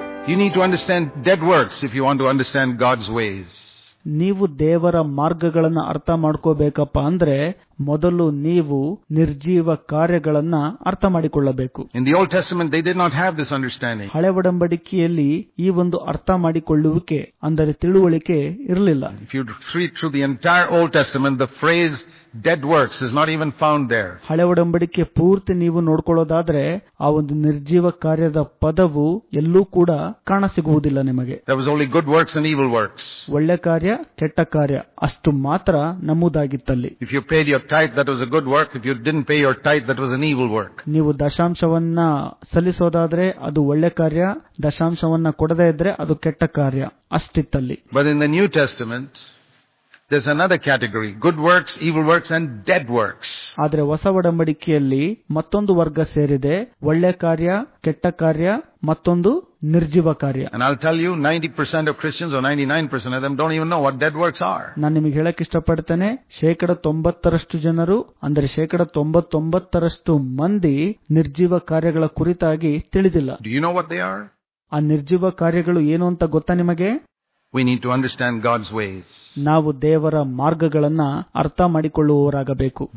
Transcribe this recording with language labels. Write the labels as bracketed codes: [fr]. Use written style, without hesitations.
[en] You need to understand dead works if you want to understand God's ways. [kn] ನೀವು ದೇವರ ಮಾರ್ಗಗಳನ್ನ ಅರ್ಥ ಮಾಡ್ಕೋಬೇಕಪ್ಪ ಅಂದ್ರೆ ಮೊದಲು ನೀವು ನಿರ್ಜೀವ ಕಾರ್ಯಗಳನ್ನ ಅರ್ಥ ಮಾಡಿಕೊಳ್ಳಬೇಕು. [en] In the Old Testament they did not have this understanding. [kn] ಹಳೆ ಒಡಂಬಡಿಕೆಯಲ್ಲಿ ಈ ಒಂದು ಅರ್ಥ ಮಾಡಿಕೊಳ್ಳುವಿಕೆ ಅಂದರೆ ತಿಳುವಳಿಕೆ ಇರಲಿಲ್ಲ. [en] If you read through the entire Old Testament, the phrase dead works is not even found there. [kn] ಹಳೆ ಒಡಂಬಡಿಕೆ ಪೂರ್ತಿ ನೀವು ನೋಡ್ಕೊಳ್ಳೋದಾದ್ರೆ ಆ ಒಂದು ನಿರ್ಜೀವ ಕಾರ್ಯದ ಪದವು ಎಲ್ಲೂ ಕೂಡ ಕಾಣಸಿಗುವುದಿಲ್ಲ ನಿಮಗೆ. [en] There was only good works and evil works. [kn] ಒಳ್ಳೆ ಕಾರ್ಯ ಕೆಟ್ಟ ಕಾರ್ಯ ಅಷ್ಟು ಮಾತ್ರ ನಮ್ಮದಾಗಿತ್ತಲ್ಲಿ. [en] If you paid your tithe, that was a good work. If you didn't pay your tithe, that was an evil work. [kn] ನೀವು ದಶಾಂಶವನ್ನ ಸಲ್ಲಿಸೋದಾದ್ರೆ ಅದು ಒಳ್ಳೆ ಕಾರ್ಯ, ದಶಾಂಶವನ್ನ ಕೊಡದೇ ಇದ್ರೆ ಅದು ಕೆಟ್ಟ ಕಾರ್ಯ ಅಷ್ಟಿತ್ತಲ್ಲಿ. [en] But in the New Testament, there's another category, good works, evil works and dead works. [kn] ಆದರೆ ಹೊಸ ಒಡಂಬಡಿಕೆಯಲ್ಲಿ ಮತ್ತೊಂದು ವರ್ಗ ಸೇರಿದೆ, ಒಳ್ಳೆ ಕಾರ್ಯ ಕೆಟ್ಟ ಕಾರ್ಯ ಮತ್ತೊಂದು ನಿರ್ಜೀವ ಕಾರ್ಯ. [en] And I'll tell you, 90% of Christians or 99% of them don't even know what dead works are. [kn] ನಾನು ನಿಮಗೆ ಹೇಳಕ್ಕೆ ಇಷ್ಟಪಡ್ತೇನೆ, ಶೇಕಡ 90% ಜನರು ಅಂದ್ರೆ ಶೇಕಡ 99% ಮಂದಿ ನಿರ್ಜೀವ ಕಾರ್ಯಗಳ ಕುರಿತಾಗಿ ತಿಳಿದಿಲ್ಲ. [en] Do you know what they are? [kn] ಆ ನಿರ್ಜೀವ ಕಾರ್ಯಗಳು ಏನು ಅಂತ ಗೊತ್ತಾ ನಿಮಗೆ? [en] We need to understand God's ways. [kn] ನಾವು ದೇವರ ಮಾರ್ಗಗಳನ್ನು ಅರ್ಥ ಮಾಡಿಕೊಳ್ಳುವವರಾಗಬೇಕು.